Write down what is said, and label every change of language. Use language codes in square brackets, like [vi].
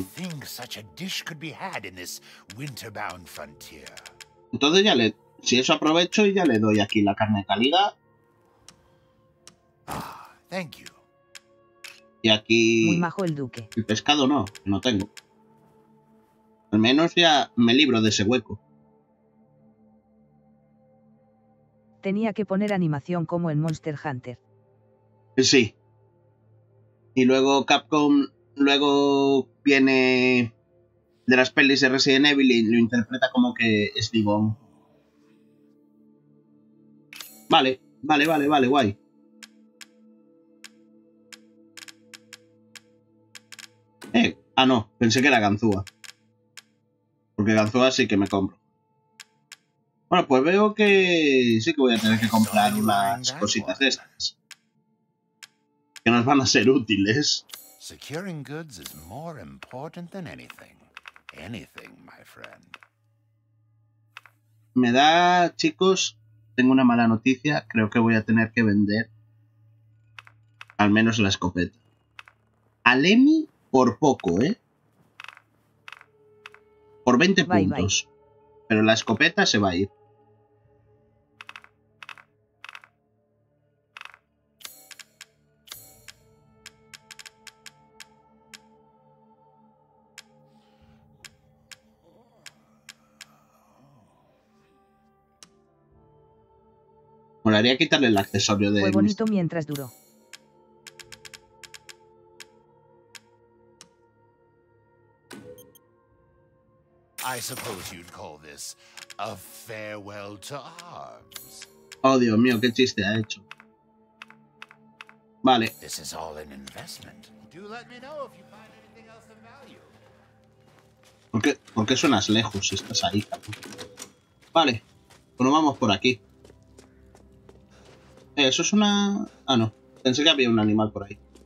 [en] I think such a dish could be had in this winterbound frontier. [es] Entonces ya le, si eso aprovecho y ya le doy aquí la carne de calidad. [en] Ah, thank you. [es] Y aquí muy majo el duque. El pescado no, no tengo. Al menos ya me libro de ese hueco. Tenía que poner animación como en Monster Hunter. Sí. Y luego Capcom, luego viene de las pelis de Resident Evil y lo interpreta como que es Vivón. Vale, vale, vale, vale, guay. No, pensé que era Ganzúa. Porque Ganzúa sí que me compro. Bueno, pues veo que sí que voy a tener que comprar unas cositas estas. Que nos van a ser útiles. [en] Securing goods is more important than anything. Anything, my friend. [es] Me da, chicos, tengo una mala noticia. Creo que voy a tener que vender al menos la escopeta. A Lemmy por poco, ¿eh? Por 20 puntos. Bye. Pero la escopeta se va a ir. Molaría quitarle el accesorio de... Fue bonito mientras duró. [en] I suppose you'd call this a farewell to arms. [es] Oh, Dios mío, qué chiste ha hecho. Vale. [en] This is all an investment. Do let me know if you find anything else of value. [es] ¿Por qué suenas lejos si estás ahí? Vale. Bueno, vamos por aquí. Eso es una... no. Pensé que había un animal por ahí.